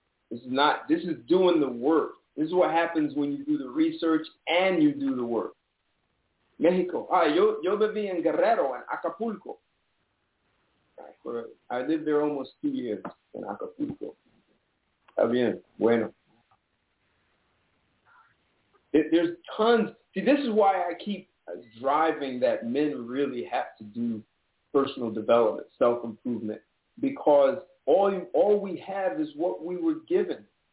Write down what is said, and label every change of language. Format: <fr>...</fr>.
<en>This is doing the work. This is what happens when you do the research and you do the work. Mexico.</en> <es>Yo viví en Guerrero, en Acapulco.</es> <en>I lived there almost 2 years in Acapulco.</en> <es>Está bien. Bueno.</es> <en>There's tons. See, this is why I keep driving that men really have to do personal development, self-improvement, because all we have is what we were given.</en>